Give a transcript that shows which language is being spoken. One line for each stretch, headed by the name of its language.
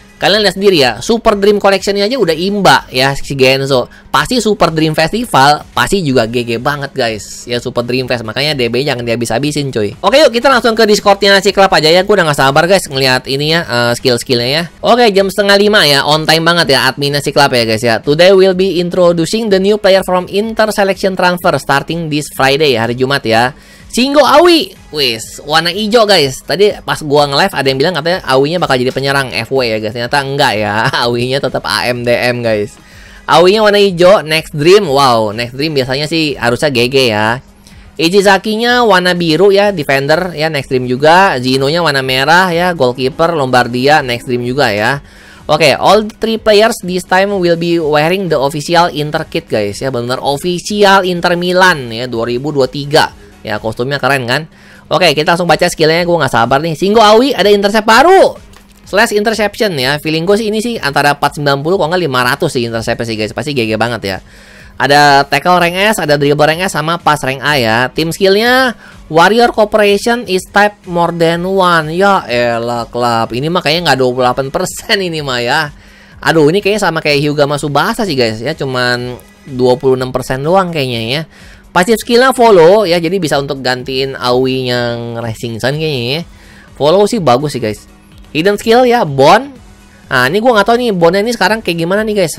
Indonesian: Kalian lihat sendiri ya, Super Dream Collection aja udah imba ya si Genso. Pasti Super Dream Festival pasti juga GG banget guys. Ya Super Dream Fest, makanya DB jangan dihabis-habisin coy. Oke yuk, kita langsung ke Discordnya si klub aja ya. Gue udah gak sabar guys ngeliat ini ya, skill-skillnya ya. Oke, jam 4:30 ya, on time banget ya adminnya si klub ya guys ya.
English: Today we'll be introducing the new player from Inter Selection Transfer starting this Friday ya,
Indonesian: hari Jumat ya. Singo Aoi, wis warna hijau guys. Tadi pas gua nge-live ada yang bilang katanya Aoi-nya bakal jadi penyerang FW ya guys. Ternyata enggak ya. Aoi-nya tetap AMDM guys. Aoi-nya warna hijau, Next Dream. Wow, Next Dream biasanya sih harusnya GG ya. Ichizaki-nya warna biru ya, defender ya, Next Dream juga. Gino-nya warna merah ya, goalkeeper Lombardia, Next Dream juga ya.
English: Oke, okay, all three players this time will be wearing the official Inter kit guys ya.
Indonesian: Benar official Inter Milan ya 2023. Ya kostumnya keren kan. Oke, kita langsung baca skillnya. Gue gak sabar nih. Singo Aoi ada intercept baru, slash interception ya. Feeling gue sih ini sih antara 490 kalau gak 500 sih interceptnya sih guys. Pasti GG banget ya. Ada tackle rank S, ada dribble rank S, sama pass rank A ya.
English: Team skillnya Warrior Corporation is type more than one.
Indonesian: Ya elah klub, ini mah kayaknya gak 28% ini mah ya. Aduh, ini kayaknya sama kayak Hyuga Masubasa sih guys ya. Cuman 26% doang kayaknya ya. Passive skillnya follow ya, jadi bisa untuk gantiin Aoi yang Rising Sun kayaknya ya. Follow sih bagus sih guys. Hidden skill ya, bond. Nah ini gue gak tau nih bondnya ini sekarang kayak gimana nih guys.